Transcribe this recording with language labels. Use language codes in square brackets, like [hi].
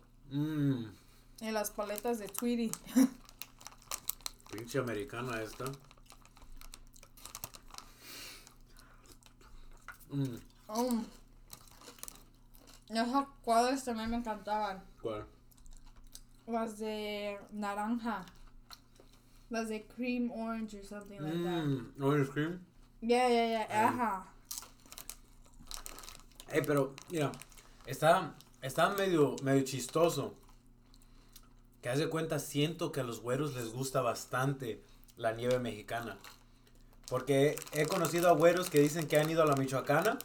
[es] Mm. Y las paletas de Tweety. Pinche americana esta. Mm. Oh. Esos cuadros también me encantaban. ¿Cuál? Las de naranja. [en] Las de cream orange or something like that. Orange cream? Yeah. Ajá. [es] Hey, pero, mira, estaba medio chistoso. Que haz de cuenta, siento que a los güeros les gusta bastante la nieve mexicana. Porque he conocido a güeros que dicen que han ido a la Michoacana.